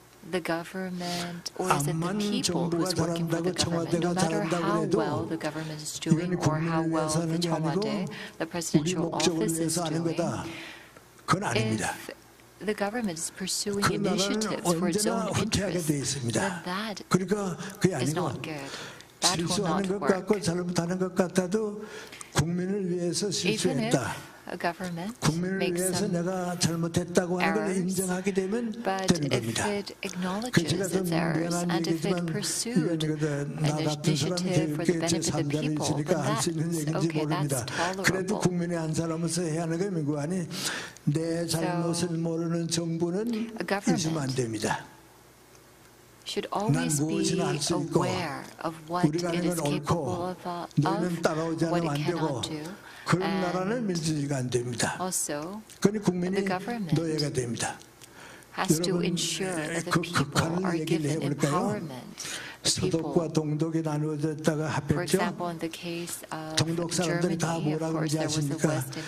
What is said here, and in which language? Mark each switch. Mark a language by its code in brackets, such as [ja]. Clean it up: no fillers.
[en] The government, or is it the people who's working for the government? No matter how well the government is doing or how well the Chongwade, the presidential office is doing, if the government is pursuing initiatives for its own interests, then that is not good. [ko] 실수하는 것 같고 잘못하는 것 같아도 국민을 위해서 실수했다. 국민을 위해서 내가 잘못했다고 하는 걸 인정하게 되면 되는 겁니다. 제가 좀 미안한 얘기지만 이건 나 같은 사람이 교육계 제3자는 있으니까 할 수 있는 얘기인지 모릅니다. 그래도 국민의 한 사람으로서 해야 하는 게 뭐고 아니 내 잘못을 모르는 정부는 있으면 안 됩니다. [en] Should always be aware of what it is capable of, of what it cannot do. [ko] 그런 나라는 민주주의가 안 됩니다. 그러니 국민이 노예가 됩니다. 여러분, 그 극한을 얘기를 해볼까요? 서독과 동독이 나누어졌다가 합했죠. 동독 사람들이 다 뭐라고 그러지 않습니까?